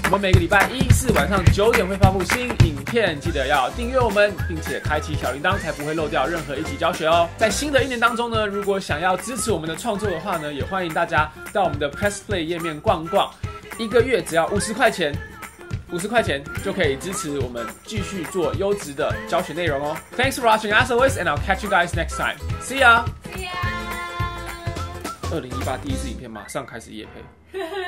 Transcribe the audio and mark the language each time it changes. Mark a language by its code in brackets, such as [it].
[zh] 我们每个礼拜一四晚上九点会发布新影片，记得要订阅我们并且开启小铃铛，才不会漏掉任何一集教学哦。在新的一年当中呢，如果想要支持我们的创作的话呢，也欢迎大家到我们的 Press Play 页面逛逛，一个月只要50块钱，50块钱就可以支持我们继续做优质的教学内容哦。 [en] Thanks for watching as always, and I'll catch you guys next time. See ya. See ya. [zh] 2018第一支影片马上开始业配。